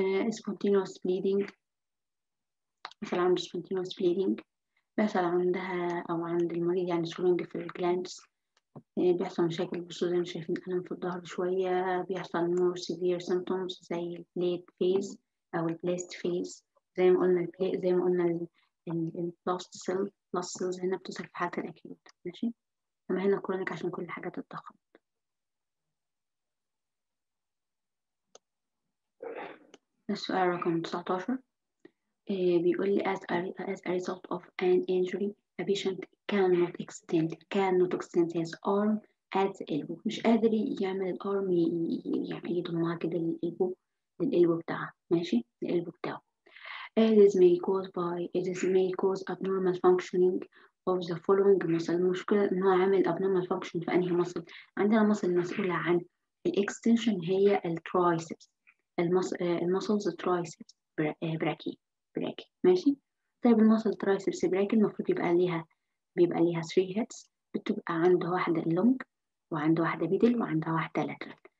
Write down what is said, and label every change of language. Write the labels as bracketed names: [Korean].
[Arabic] spontaneous bleeding، مثلا عنده spontaneous bleeding، مثلا عندها أو عند المريض يعني swelling في الجلانس، بيحصل مشاكل بالصدر، شايفين ألم في الظهر شوية، بيحصل [English] more severe symptoms [Arabic] زي late phase أو blast phase. زي ما قلنا البلاست سيل، البلاست سيلز هنا بتوصل في حالة الأكيوت. ماشي، أما هنا كرونيك عشان كل حاجة تتخبط. السؤال رقم 19 بيقول لي [English] as a result of an injury a patient cannot extend his arm at the elbow. [Arabic] مش قادر يعمل الأرم، يعمل إيده معاه كده للإلبو، للإلبو بتاعه. ماشي، للإلبو بتاعه. [English] It is may cause abnormal functioning of the following muscle. [Arabic] المشكلة إن هو عامل abnormal function في أنهي muscle؟ عندنا muscle المسؤولة عن ال extension هي ال triceps، muscles triceps brachii. ماشي، طيب ال muscle triceps brachii المفروض بيبقى ليها [English] three heads، [Arabic] بتبقى عنده واحدة long، وعنده واحدة middle، وعنده واحدة lateral.